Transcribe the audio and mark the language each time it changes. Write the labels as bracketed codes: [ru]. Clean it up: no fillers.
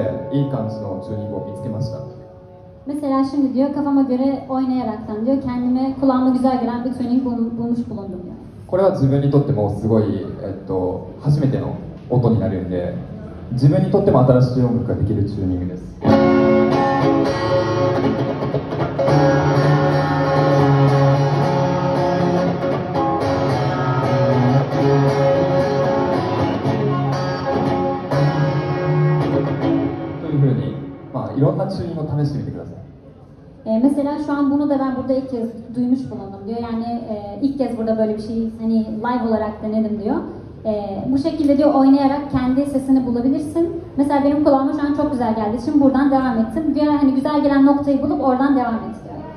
[ja] いい感じのチューニングを見つけました。 [tr] Mesela şimdi diyor kafama göre oynayaraktan diyor kendime kulağıma güzel gelen bir tuning bulmuş bulundum diyor. [ja] これは自分にとってもすごい、初めての音になるんで、自分にとっても新しい音楽ができるチューニングです。というふうに、まあ、いろんなチューニングを試してみてください。 [tr] Mesela şu an bunu da ben burada ilk kez duymuş bulundum diyor. Yani ilk kez burada böyle bir şey hani live olarak denedim diyor. Bu şekilde diyor oynayarak kendi sesini bulabilirsin. Mesela benim kulağıma şu an çok güzel geldi. Şimdi buradan devam ettim. Diyor hani güzel gelen noktayı bulup oradan devam et diyor.